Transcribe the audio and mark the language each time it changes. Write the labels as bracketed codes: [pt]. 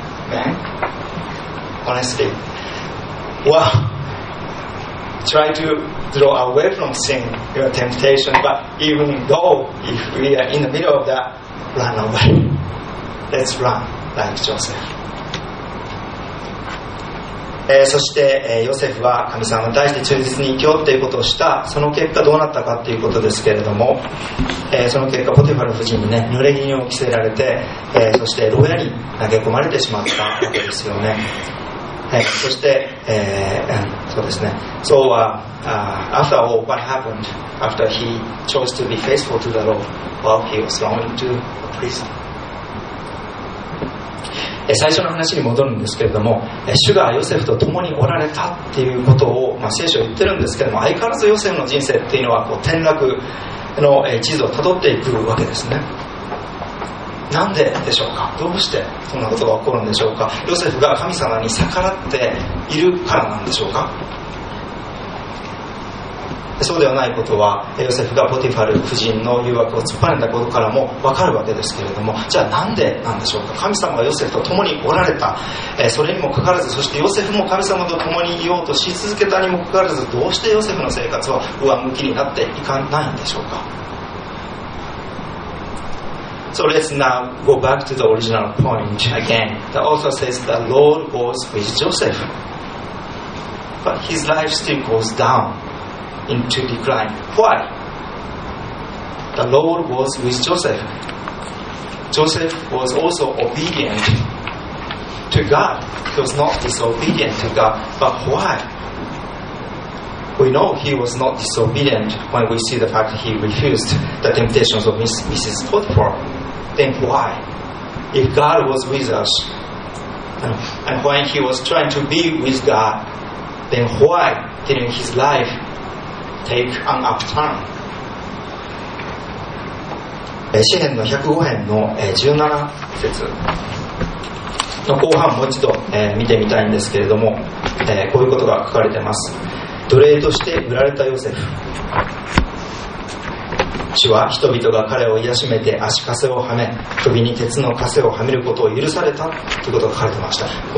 [en] Man, honestly. Well,try to draw away from sin, your temptation, but even though if we are in the middle of that, run away. Let's run like Joseph. [ja] そしてヨセフは神様に対して忠実に生きようということをした。その結果どうなったかということですけれども、その結果ポテファル夫人にね濡れ衣を着せられて、そして牢屋に投げ込まれてしまったわけですよね。そして、そうですね。 [en] So, after all, what happened after he chose to be faithful to the Lord while he was thrown into prison? [ja] 最初の話に戻るんですけれども、主がヨセフと共におられたっていうことを、まあ、聖書は言ってるんですけども、相変わらずヨセフの人生っていうのはこう転落の地図をたどっていくわけですね。なんででしょうか。どうしてそんなことが起こるんでしょうか。ヨセフが神様に逆らっているからなんでしょうか。そうではないことはヨセフがポティファル夫人の誘惑を突っぱねたことからも分かるわけですけれども、じゃあなんでなんでしょうか。神様がヨセフと共におられた、それにもかかわらず、そしてヨセフも神様と共にいようとし続けたにもかかわらず、どうしてヨセフの生活は上向きになっていかないんでしょうか。 [en] So let's now go back to the original point again. The author says the Lord was with Joseph, but his life still goes downinto decline. Why? The Lord was with Joseph. Joseph was also obedient to God. He was not disobedient to God. But why? We know he was not disobedient when we see the fact that he refused the temptations of Mrs. Potiphar. Then why? If God was with us, and when he was trying to be with God, then why didn't his lifeTake an upturn. [ja] 詩編の105編の17節の後半もう一度見てみたいんですけれども、こういうことが書かれています。奴隷として売られたヨセフ、主は人々が彼を癒しめて足かせをはめ、首に鉄のかせをはめることを許されたということが書かれてました。